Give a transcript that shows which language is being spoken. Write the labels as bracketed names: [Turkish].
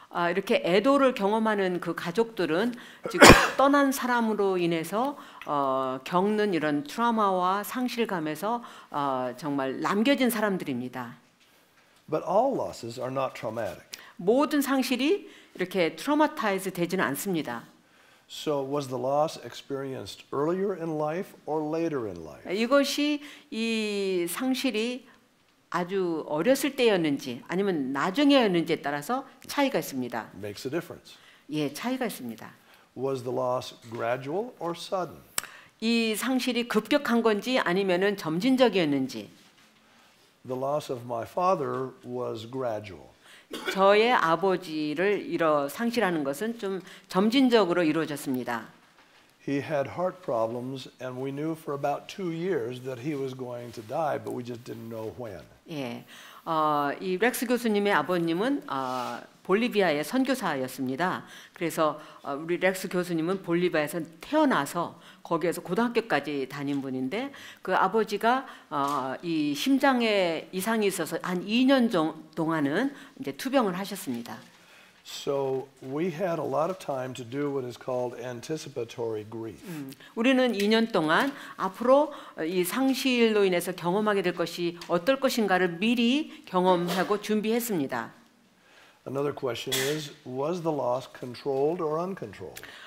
[Korean] 이렇게 애도를 경험하는 그 가족들은 지금 떠난 사람으로 인해서 겪는 이런 트라우마와 상실감에서 정말 남겨진 사람들입니다. [English] But all losses are not traumatic. [Korean] 모든 상실이 이렇게 트라우마타이즈 되지는 않습니다. [English] So was the loss experienced earlier in life or later in life? [Korean] 이것이 이 상실이 아주 어렸을 때였는지 아니면 나중에였는지에 따라서 차이가 있습니다. [English] Makes a difference. [Korean] 예, 차이가 있습니다. [English] Was the loss gradual or sudden? [Korean] 이 상실이 급격한 건지 아니면은 점진적이었는지. [English] The loss of my father was gradual. [Korean] 저의 아버지를 잃어 상실하는 것은 좀 점진적으로 이루어졌습니다. [English] He had heart problems and we knew for about 2 years that he was going to die, but we just didn't know when. [Korean] 예. 이 렉스 교수님의 아버님은 볼리비아의 선교사였습니다. 그래서 우리 렉스 교수님은 볼리비아에서 태어나서 거기에서 고등학교까지 다닌 분인데 그 아버지가 이 심장에 이상이 있어서 한 2년 동안은 이제 투병을 하셨습니다. [English] So we had a lot of time to do what is called anticipatory grief. [Korean] 우리는 2년 동안 앞으로 이 상실로 인해서 경험하게 될 것이 어떨 것인가를 미리 경험하고 준비했습니다. [English] Another question is, was the loss controlled or uncontrolled?